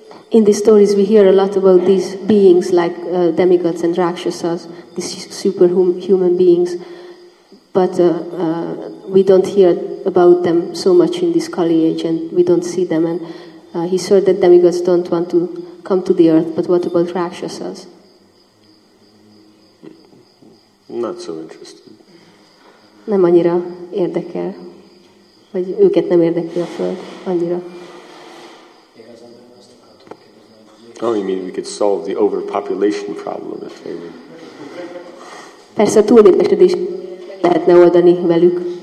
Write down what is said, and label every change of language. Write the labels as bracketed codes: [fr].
[en] In these stories, we hear a lot about these beings like demigods and rakshasas, these superhuman beings, but we don't hear about them so much in this Kali Age, and we don't see them. And he said that demigods don't want to come to the earth, but what about rakshasas? Not so interested. [hu] Nem annyira érdekel, vagy őket nem érdekli a föld annyira. [en] Oh, you mean we could solve the overpopulation problem if they were. [hu] Persze, túlnépesedést lehetne oldani velük.